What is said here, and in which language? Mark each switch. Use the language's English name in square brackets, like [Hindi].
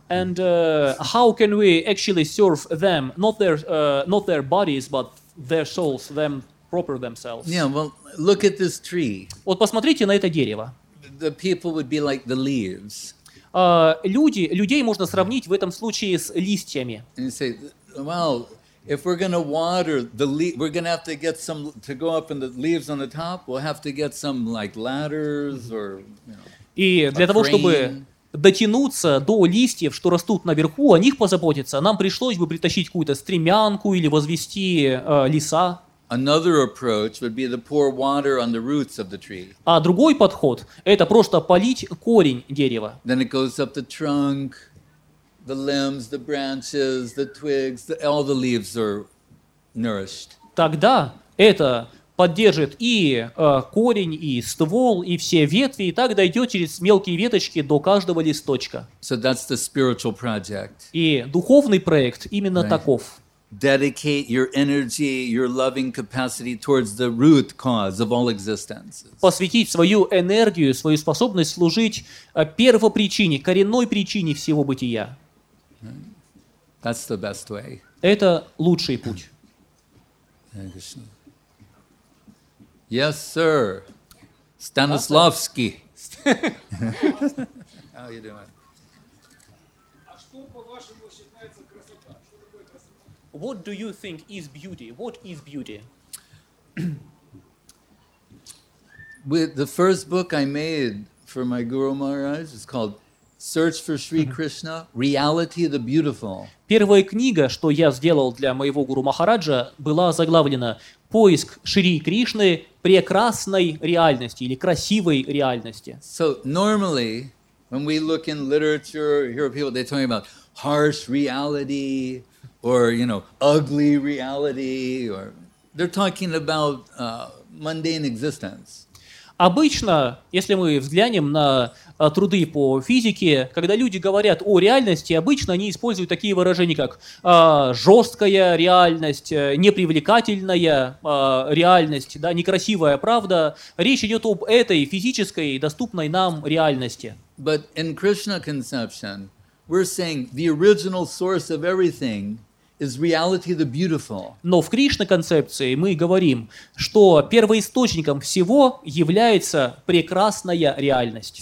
[English] And how can we actually serve them, not their bodies, but their souls, them proper themselves? Yeah, well, look at this tree. [Russian] Вот посмотрите на это дерево. [English] The people would be like the leaves. [Russian] Людей можно сравнить в этом случае с листьями. [English] And you say, well, if we're going to water the leaves, we're going to have to get some, to go up in the leaves on the top, we'll have to get some, like, ladders or, you know, [Russian] и для того, чтобы дотянуться до листьев, что растут наверху, о них позаботиться, нам пришлось бы притащить какую-то стремянку или возвести леса. [English] Another approach would be to pour water on the roots of the tree. [Russian] А другой подход – это просто полить корень дерева. [English] Then it goes up the trunk, the limbs, the branches, the twigs, all the leaves are nourished. [Russian] Тогда это поддержит и корень, и ствол, и все ветви, и так дойдет через мелкие веточки до каждого листочка. [English] So that's the spiritual project. [Russian] И духовный проект именно таков. [English] dedicate your energy, your loving capacity towards the root cause of all existence. [Russian] Посвятить свою энергию, свою способность служить первопричине, коренной причине всего бытия. [English] That's the best way. [Russian] Это лучший путь. [English] Yes, sir. Станиславский. How are you doing? What do you think is beauty? What is beauty? With the first book I made for my Guru Maharaj is called Search for Sri Krishna, Reality of the Beautiful. [Russian] Первая книга, что я сделал для моего Гуру Махараджа, была заглавлена «Поиск Шри Кришны, прекрасной реальности» или «красивой реальности». [English] So normally, when we look in literature, hear people, they're talking about harsh reality, or, you know, ugly reality, or they're talking about mundane existence. [Russian] Обычно, если мы взглянем на труды по физике, когда люди говорят о реальности, обычно они используют такие выражения, как жесткая реальность, непривлекательная реальность, да, некрасивая правда. Речь идет об этой физической, доступной нам реальности. [English] But in Krishna conception, we're saying the original source of everything is reality the beautiful. [Russian] Но в Кришна-концепции мы говорим, что первоисточником всего является прекрасная реальность.